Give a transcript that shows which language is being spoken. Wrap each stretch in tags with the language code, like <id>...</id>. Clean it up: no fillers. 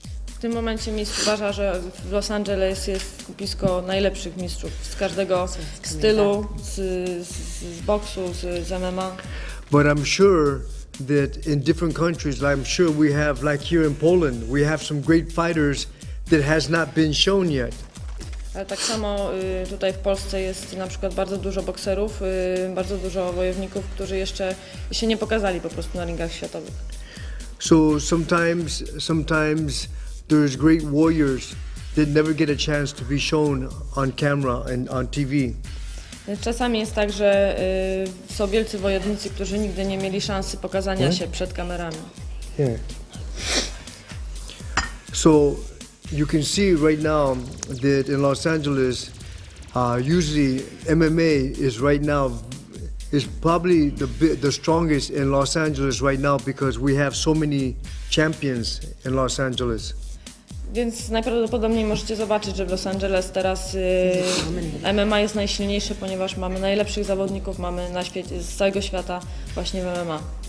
<pl>W tym momencie mistrz uważa, że w Los Angeles jest skupisko najlepszych mistrzów z każdego stylu, z boksu, z MMA.</pl> <en>But I'm sure that in different countries, I'm sure we have, like here in Poland, we have some great fighters that has not been shown yet.</en> <pl>Ale tak samo tutaj w Polsce jest na przykład bardzo dużo bokserów, bardzo dużo wojowników, którzy jeszcze się nie pokazali po prostu na ringach światowych.</pl> <en>So sometimes there's great warriors that never get a chance to be shown on camera and on TV.</en> <pl>Czasami jest tak, że są wielcy wojownicy, którzy nigdy nie mieli szansy pokazania się przed kamerami.</pl> <en>So you can see right now that in Los Angeles, usually MMA is right now is probably the strongest in Los Angeles right now because we have so many champions in Los Angeles.</en> <pl>Więc najprawdopodobniej możecie zobaczyć, że w Los Angeles teraz MMA jest najsilniejsze, ponieważ mamy najlepszych zawodników, mamy na świecie z całego świata właśnie w MMA.</pl>